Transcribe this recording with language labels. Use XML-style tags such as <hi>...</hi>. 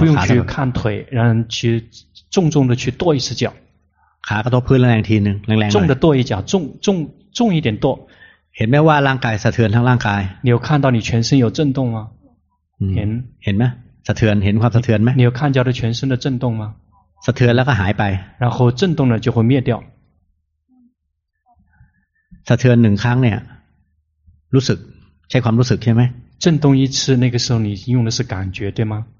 <zh>不用去看腿然后去重重的去跺一次脚</zh> <th>ขากระทบพื้นแรงทีนึงแรงๆ</th> <zh>重的跺一脚重一点跺</zh> <th>เห็นไหมว่าร่างกายสะเทือนทั้งร่างกาย</th> <zh>你有看到你全身有震动吗</zh> <th>เห็นไหมสะเทือนเห็นความสะเทือนไหม</th> <zh>你有看到的全身的震动吗</zh> <th>สะเทือนแล้วก็หายไป</th> <zh>然后震动了就会灭掉</zh> <th>สะเทือนหนึ่งครั้งเนี่ยรู้สึกใช้ความรู้สึกใช่ไหม</th> <zh>震动一次那个时候你用的是感觉对吗</zh>